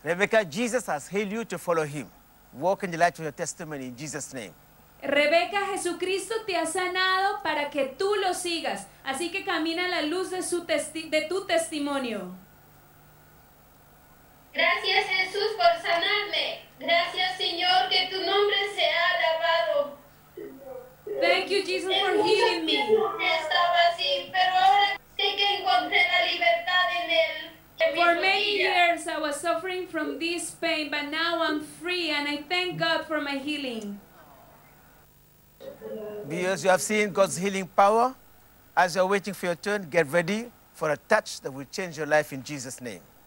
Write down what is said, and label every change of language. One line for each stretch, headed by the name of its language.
English: Rebecca, Jesus has healed you to follow him. Walk in the light of your testimony in Jesus' name.
Spanish: Rebeca, Jesucristo te ha sanado para que tú lo sigas. Así que camina a la luz de tu testimonio. Gracias, Jesús, por sanarme. Gracias, Señor, que tu nombre sea alabado.
English: Thank you, Jesus, for healing me.
Spanish: Estaba así, pero ahora sé que encontré la libertad en él.
English: For many years I was suffering from this pain, but now I'm free and I thank God for my healing. Because you have seen God's healing power, as you're waiting for your turn, get ready for a touch that will change your life in Jesus' name.